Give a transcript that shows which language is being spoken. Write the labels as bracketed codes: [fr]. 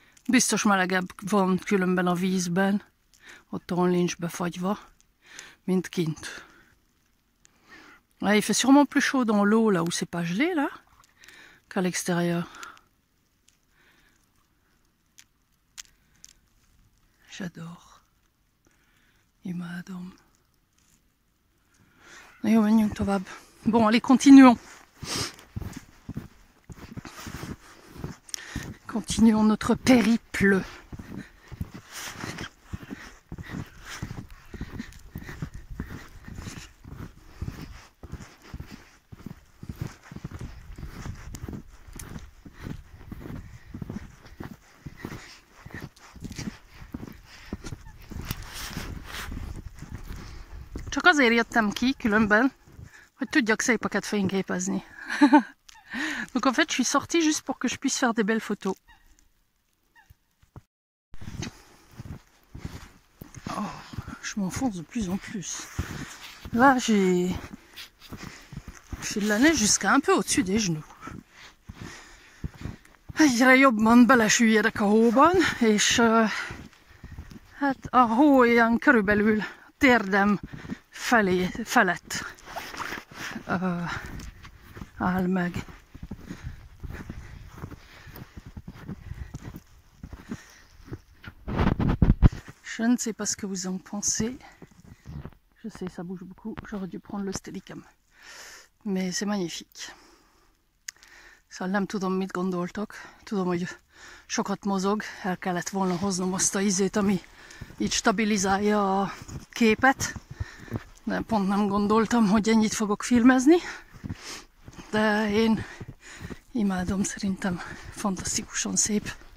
[hu] Biztos melegebb van különben a vízben, otthon nincs befagyva, mint kint. [fr] Là, il fait sûrement plus chaud dans l'eau, là où c'est pas gelé, là, qu'à l'extérieur. J'adore. [hu] Imadom. Jó, menjünk tovább. [fr] Bon, allez, continuons. Continuons notre périple. [hu] Azért jöttem ki, különben, hogy tudjak szépeket fényképezni. [fr] Donc en fait, je suis sortie juste pour que je puisse faire des belles photos. Oh, je m'enfonce de plus en plus. Là, j'ai de la neige jusqu'à un peu au-dessus des genoux. [hu] Egyre jobban belesüllyedek a hóban, és hát a hó ilyen körülbelül térdem felett áll meg. [fr] Je ne sais pas ce que vous en pensez. Je sais, ça bouge beaucoup. J'aurais dû prendre le Steadicam. Mais c'est magnifique. [hu] Szóval nem tudom, mit gondoltok. Tudom, hogy sokat mozog. El kellett volna hoznom azt a izét, ami így stabilizálja a képet. De pont nem gondoltam, hogy ennyit fogok filmezni. De én imádom, szerintem fantasztikusan szép.